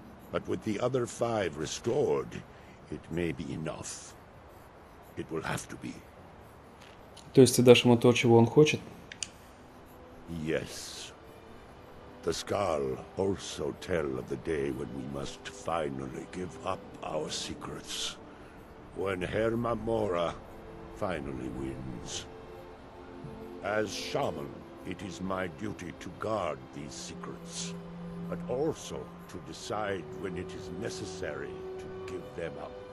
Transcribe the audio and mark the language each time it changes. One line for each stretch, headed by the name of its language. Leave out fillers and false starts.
English: But with the other five restored, it may be enough. It will have to be.
Russian: То есть ты дашь ему то, чего он хочет?
English: Yes. The Skal also tell of the day when we must finally give up our secrets. When Herma Mora finally wins. As shaman, it is my duty to guard these secrets, but also to decide when it is necessary to give them up.